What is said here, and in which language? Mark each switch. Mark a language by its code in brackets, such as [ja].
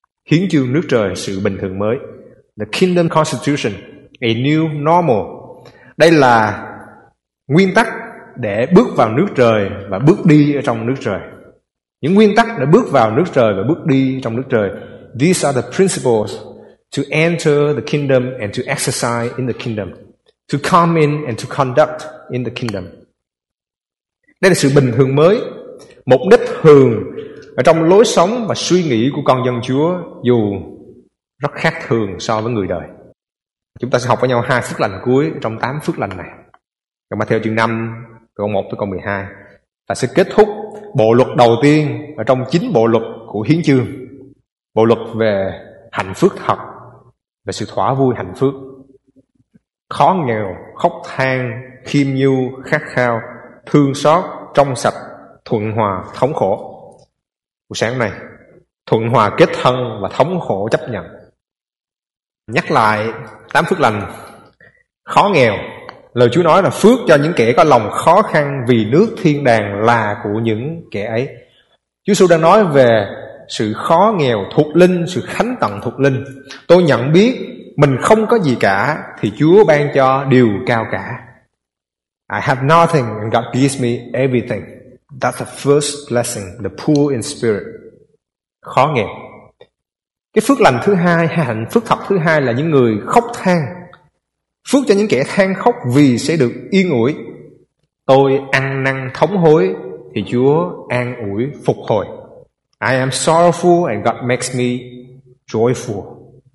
[vi] Hiến chương nước trời sự bình thường mới, [en] The Kingdom Constitution, A New Normal. [vi] Đây là nguyên tắc để bước vào nước trời và bước đi ở trong nước trời. Những nguyên tắc để bước vào nước trời và bước đi trong nước trời. [en] These are the principles to enter the kingdom and to exercise in the kingdom, to come in and to conduct in the kingdom. [vi] Đây là sự bình thường mới, mục đích thường ở trong lối sống và suy nghĩ của con dân Chúa, dù rất khác thường so với người đời. Chúng ta sẽ học với nhau hai phước lành cuối trong tám phước lành này. Trong Matthew chương 5, câu 1 tới câu 12, ta sẽ kết thúc bộ luật đầu tiên ở trong chín bộ luật của Hiến chương. Bộ luật về hạnh phúc thật, về sự thỏa vui hạnh phúc. Khó nghèo, khóc than, khiêm nhu, khát khao, thương xót, trong sạch, thuận hòa, thống khổ. Buổi sáng này, thuận hòa kết thân và thống khổ chấp nhận. Nhắc lại tám phước lành. Khó nghèo, lời Chúa nói là phước cho những kẻ có lòng khó khăn vì nước thiên đàng là của những kẻ ấy. Chúa Giêsu đang nói về sự khó nghèo thuộc linh, sự khánh tận thuộc linh. Tôi nhận biết mình không có gì cả thì Chúa ban cho điều cao cả. [en] I have nothing and God gives me everything. That's the first blessing, the poor in spirit. [vi] Khó nghèo. Cái phước lành thứ hai hay hạnh phúc thật thứ hai là những người khóc than. Phước cho những kẻ than khóc vì sẽ được yên ủi. Tôi ăn năn thống hối thì Chúa an ủi phục hồi. [en] I am sorrowful and God makes me joyful.